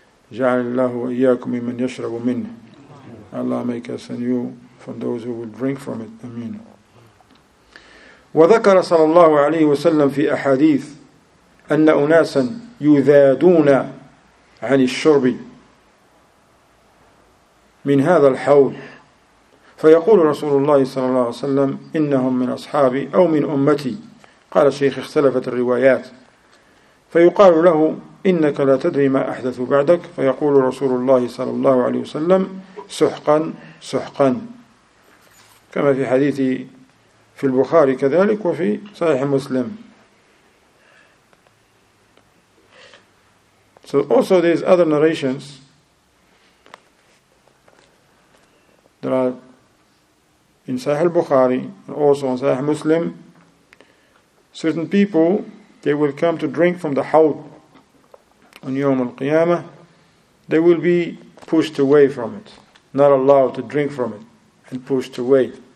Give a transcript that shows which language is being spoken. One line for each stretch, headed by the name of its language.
Arabic: جعل الله وإياكم من يشرب منه.
English: Allah make us and you from those who will drink from it. Amen.
Arabic: وذكر صلى الله عليه وسلم في أحاديث أن أناسا يذادون عن الشرب من هذا الحوض فيقول رسول الله صلى الله عليه وسلم إنهم من أصحابي أو من أمتي. قال الشيخ اختلفت الروايات فيقال له إنك لا تدري ما أحدث بعدك فيقول رسول الله صلى الله عليه وسلم سحقا سحقا كما في حديث في البخاري كذلك وفي صحيح مسلم.
English: So also there's other narrations that are in صحيح البخاري and also on صحيح مسلم. Certain people, they will come to drink from the Hawd on Yawm al-Qiyamah, they will be pushed away from it, not allowed to drink from it, and pushed away.